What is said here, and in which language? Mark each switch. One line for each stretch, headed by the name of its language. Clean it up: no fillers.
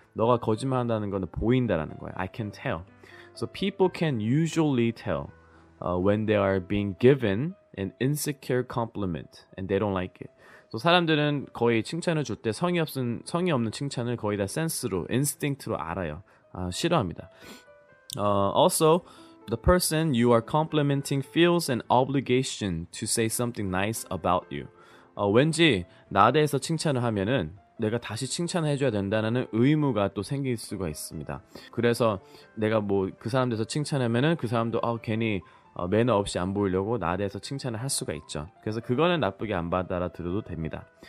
Korean: 너가 거짓말한다는 건 보인다라는 거야.
English: I can tell. So people can usually tell when they are being given an insecure compliment and they don't like it.
Korean: 또 사람들은 거의 칭찬을 줄 때 성의 없는 칭찬을 거의 다 센스로, 인스팅트로 알아요. 아, 싫어합니다.
English: Also, the person you are complimenting feels an obligation to say something nice about you.
Korean: 왠지 나에 대해서 칭찬을 하면은 내가 다시 칭찬을 해줘야 된다는 의무가 또 생길 수가 있습니다. 그래서 내가 뭐 그 사람 대해서 칭찬하면은 그 사람도 괜히 매너 없이 안 보이려고 나에 대해서 칭찬을 할 수가 있죠. 그래서 그거는 나쁘게 안 받아들여도 됩니다.